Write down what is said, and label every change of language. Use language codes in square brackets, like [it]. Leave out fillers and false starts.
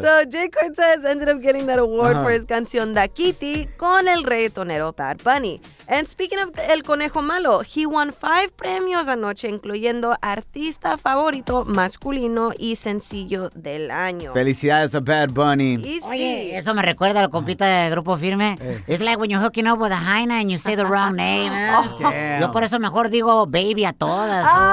[en] So, Jay Cortez ended up getting that award for his canción Daquiti [es] con el reggaetonero [en] Bad Bunny. And speaking of [es] El Conejo Malo, [en] he won 5 [es] premios anoche, incluyendo Artista Favorito Masculino y Sencillo del Año. Felicidades a Bad Bunny. Y oye, eso me recuerda al compita de Grupo Firme. Eh. [en] It's like when you're hooking up with a hyena and you say the wrong name. Oh. [es] Yo por eso mejor digo baby a todas.